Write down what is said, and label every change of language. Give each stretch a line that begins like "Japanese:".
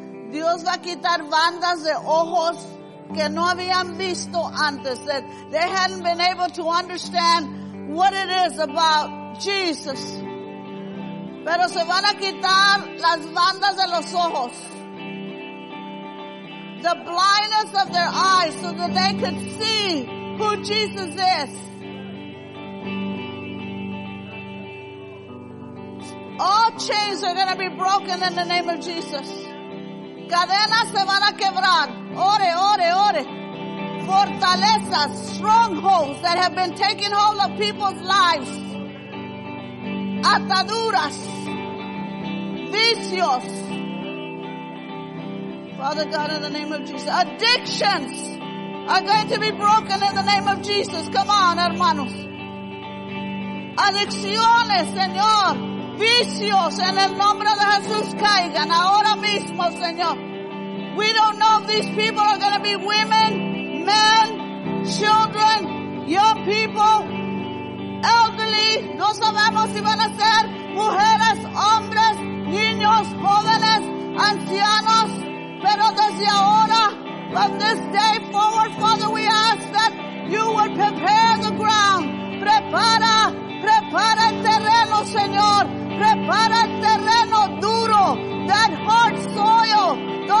Spanish: Dios va a quitar bandas de ojos que no habían visto antes.
English: They hadn't been able to understand what it is about Jesus.
Spanish: Pero se van a quitar las bandas de los ojos.
English: The blindness of their eyes so that they could see who Jesus is. All chains are going to be broken in the name of Jesus.
Spanish: Cadenas se van a quebrar. Ore, ore, ore. Fortalezas,
English: strongholds that have been taking hold of people's lives.
Spanish: Ataduras. Vicios.
English: Father God, in the name of Jesus. Addictions are going to be broken in the name of Jesus. Come on,
Spanish: hermanos. Adicciones, Señor. Vicios en el nombre de Jesús caigan ahora mismo, Señor.
English: We don't know if these people are going to be women, men, children, young people, elderly.
Spanish: No sabemos si van a ser mujeres, hombres, niños, jóvenes, ancianos. Pero desde ahora,
English: from this day forward, Father, we ask that you would prepare the ground.
Spanish: Prepara, prepara el terreno, Señor. Prepara el terreno duro.
English: That hard soil.